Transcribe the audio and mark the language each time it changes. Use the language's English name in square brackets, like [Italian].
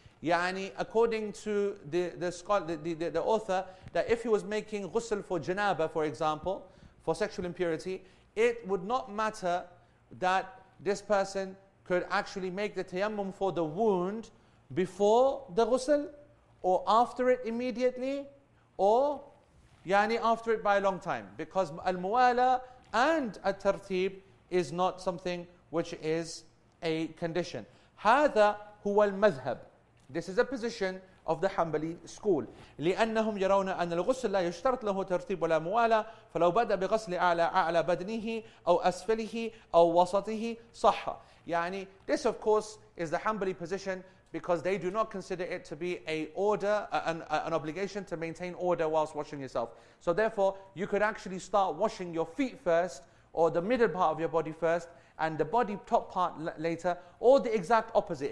[English] Yani, according to the author, that if he was making ghusl for janaba, for example, for sexual impurity, it would not matter that this person could actually make the tayammum for the wound before the ghusl, or after it immediately, or yani after it by a long time, because al-muwala and at-tartib is not something which is a condition. [Arabic] Hadha huwa al-madhhab. [English] This is a position of the Hanbali school. [Arabic] لأنهم يرون أن الغسل لا يشترط له ترتيب ولا موالا فلو بدأ بغسل أعلى بدنه أو أسفله أو وسطه صح. [English] يعني, this of course is the Hanbali position, because they do not consider it to be an obligation to maintain order whilst washing yourself. So therefore, you could actually start washing your feet first, or the middle part of your body first, and the body top part later, or the exact opposite.